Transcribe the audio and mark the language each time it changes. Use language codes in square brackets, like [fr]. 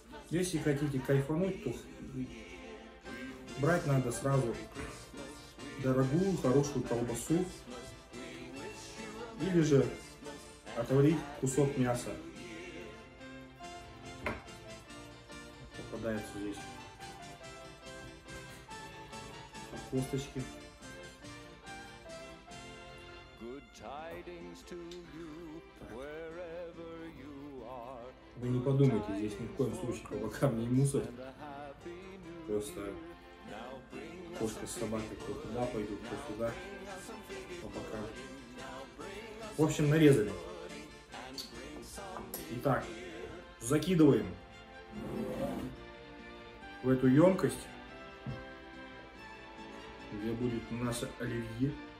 [ru] Если хотите кайфануть, то брать надо сразу дорогую хорошую колбасу или же отварить кусок мяса. Попадается здесь косточки. [en] Good tidings to you, wherever you are. [ru] Вы не подумайте, здесь ни в коем случае кабакам не мусор. Просто кошка с собакой кто туда пойдет, кто сюда, по бокам. В общем, нарезали. Итак, закидываем в эту емкость, где будет наше оливье.